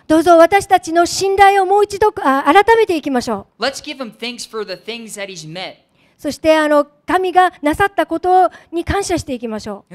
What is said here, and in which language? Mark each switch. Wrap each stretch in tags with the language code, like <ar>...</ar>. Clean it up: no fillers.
<ja>どうぞ私たちの信頼をもう一度改めていきましょう。</ja> <en>Let's give him thanks for the things that he's met.</en> <ja>そしてあの神がなさったことに感謝していきましょう。</ja>